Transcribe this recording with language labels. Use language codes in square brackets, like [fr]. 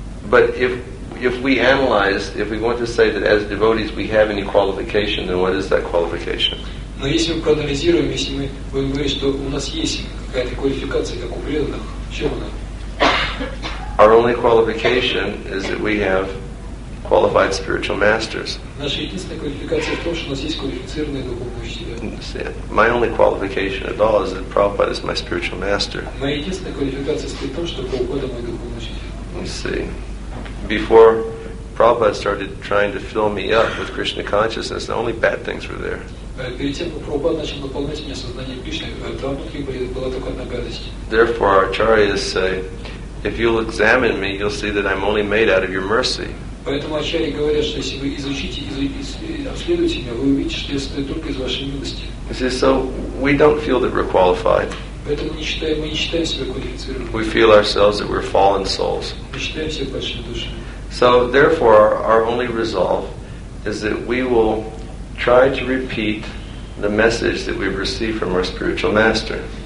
[en] But if we analyze, if we want to say that as devotees we have any qualification, then what is that qualification? [ru] Но если мы проанализируем, если мы будем говорить, что у нас есть какая-то квалификация, как у преданных, в чем она? [en] Our only qualification is that we have qualified spiritual masters. [ru] Наша единственная квалификация в том, что у нас есть квалифицированные духовные учителя. [en] My only qualification at all is that Prabhupada is my spiritual master. [ru] Моя единственная квалификация состоит в том, что Прабхупада мой духовный учитель. [en] You see, before Prabhupada started trying to fill me up with Krishna consciousness, the only bad things were there. [ru] Перед тем, как Прабхупада начал наполнять меня сознанием Кришны, там внутри была только одна гадость. [en] Therefore, our acharyas say, if you'll examine me, you'll see that I'm only made out of your mercy. [ru] Поэтому ачарьи говорят, что если вы изучите и обследуете меня, вы увидите, что я состою только из вашей милости. [en] You see, so we don't feel that we're qualified. [ru] Поэтому мы не считаем себя квалифицированными. [en] We feel ourselves that we're fallen souls. [ru] Мы считаем себя падшими душами. [en] So therefore, our only resolve is that we will try to repeat the message that we've received from our spiritual master.